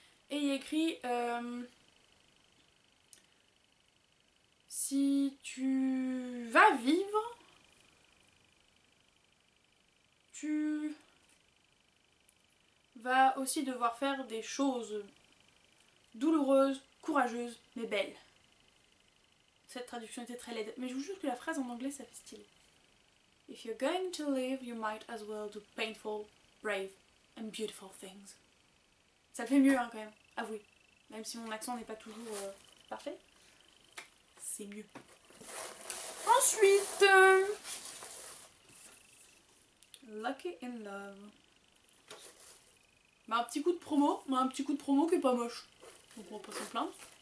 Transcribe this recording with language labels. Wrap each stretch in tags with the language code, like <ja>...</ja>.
<fr>Et il écrit si tu vas vivre, tu vas aussi devoir faire des choses douloureuses, courageuses, mais belles. Cette traduction était très laide, mais je vous jure que la phrase en anglais, ça fait style.</fr> <en>If you're going to live, you might as well do painful, brave and beautiful things.</en> <fr>Ça le fait mieux hein, quand même, avouez. Même si mon accent n'est pas toujours parfait, c'est mieux. Ensuite, Lucky in Love. Bah, un petit coup de promo qui est pas moche. Donc on va pas s'en plaindre.</fr>